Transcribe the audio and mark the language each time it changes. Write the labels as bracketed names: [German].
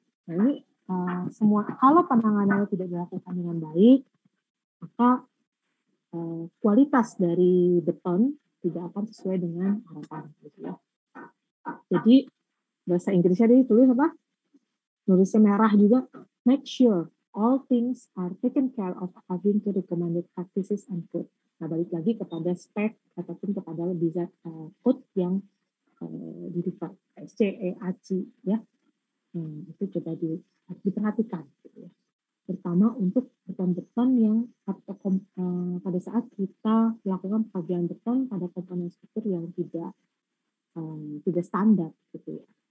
[Indonesian] Nah, ini semua kalau penanganannya tidak dilakukan dengan baik, maka kualitas dari beton tidak akan sesuai dengan harapan gitu ya. Jadi bahasa Inggrisnya ini tulis apa? Nulisnya merah juga. [English] Make sure all things are taken care of according to recommended practices and code. [Indonesian] Nah, balik lagi kepada spek ataupun kepada code yang di-refer. SCEAC ya. Itu coba diperhatikan. Terutama untuk beton-beton yang pada saat kita melakukan pembagian beton pada komponen struktur yang tidak standar gitu ya.